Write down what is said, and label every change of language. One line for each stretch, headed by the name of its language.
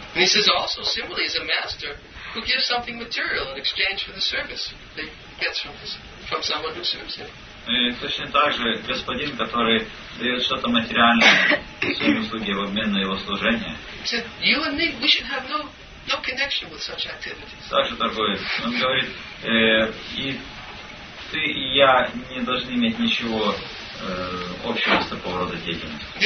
English: And he says also, similarly, as a master who gives something material in exchange for the service that he gets from someone who serves him.
Russian: Точно так же господин, который дает что-то материальное своим услуги в обмен на его служение.
English: He said, you and me, we should have no connection with such activities.
Russian: Также торговец. Он говорит, и ты, и я не должны иметь ничего общего с такого рода деятельности.